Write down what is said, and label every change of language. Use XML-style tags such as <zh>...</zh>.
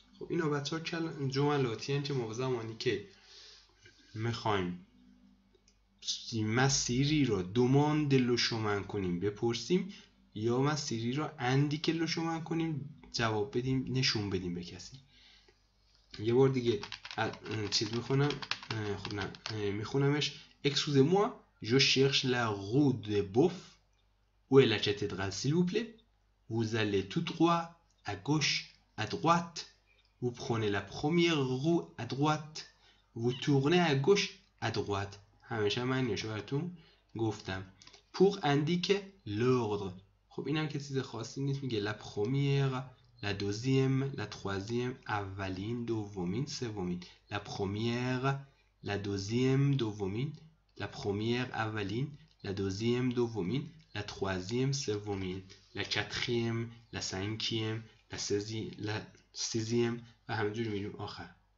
<fa>خب اینا بچه ها جملاتی هستند که ما زمانی که میخواییم مسیری را دومان دلو شمن کنیم بپرسیم، یا مسیری را اندیکه دلو شمن کنیم جواب بدیم، نشون بدیم به کسی. یه بار دیگه چیز میخونم، خب نه میخونمش.</fa> <fr>Excusez moi, je cherche la rue de Boeuf. Où est la cathédrale s'il vous plaît? Vous allez tout droit à gauche, à droite. Vous prenez la première rue à droite. Vous tournez à gauche, à droite.</fr> <fa>همیشه من یه براتون گفتم.</fa> <fr>Pour indiquer l'ordre.</fr> <fa>خب اینم که چیز خاصی نیست، میگه لا پرومیر، لا دوزیم، لا تروازیم، اولین، دومین، سومین. لا پرومیر، لا دوزیم، دومین، لا پرومیر، اولین، لا دوزیم، دومین، لا تروازیم، سومین، لا کاتریم، لا سانکیم، لا سیزیم، و همینجور میریم آخر.</fa>